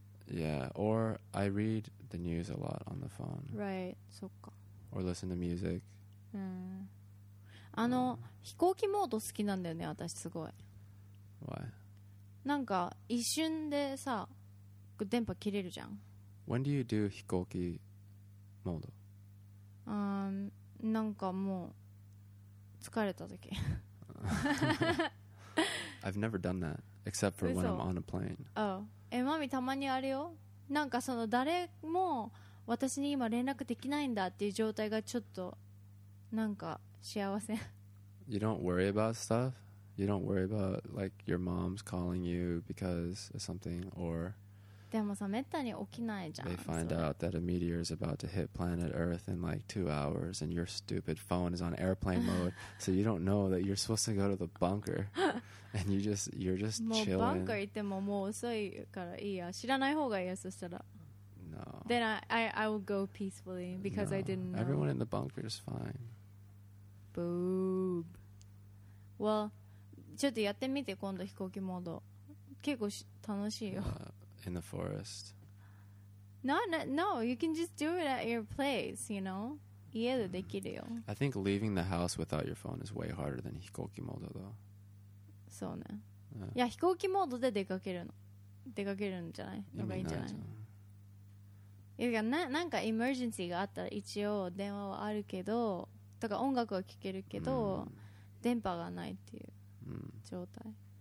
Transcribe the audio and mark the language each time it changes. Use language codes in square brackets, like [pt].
[en] Yeah, or I read the news a lot on the phone. Right, [ja] そっか。 [en] Or listen to music. [ja] うん。あの、飛行機モード好きなんだよね、私すごい。 [en] Why? [ja] なんか一瞬でさ、電波切れるじゃん。 [en] When do you do 飛行機モード? [ja] なんかもう疲れた時。 [en] I've never done that, except for when I'm on a plane. Oh. [ja] え、マミたまにあるよ。なんかその誰も私に今連絡できないんだっていう状態がちょっとなんか幸せ。 [en] You don't worry about stuff? You don't worry about like your mom's calling you because of something or [ja] でもさ、めったに起きないじゃん。 [en] They find out that a meteor is about to hit planet Earth in like 2 hours and your stupid phone is on airplane mode so you don't know that you're supposed to go to the bunker and you're just chilling. [ja] もうバンカー行ってももう遅いからいいや、知らない方がいいや、そしたら。 [en] No. Then I will go peacefully because no. I didn't know. Everyone in the bunker is fine. Boob. Well, [ja] ちょっとやってみて今度飛行機モード結構楽しいよ。 [en] In the forest. No, you can just do it at your place, you know? [ja] 家でできるよ。 [en] I think leaving the house without your phone is way harder than 飛行機モード though. [ja] そうね。いや、飛行機モードで出かけるの。出かけるんじゃない? なんかいいんじゃない?いや、なんかエマージェンシーがあったら一応電話はあるけどとか音楽は聴けるけど、電波がないっていう状態。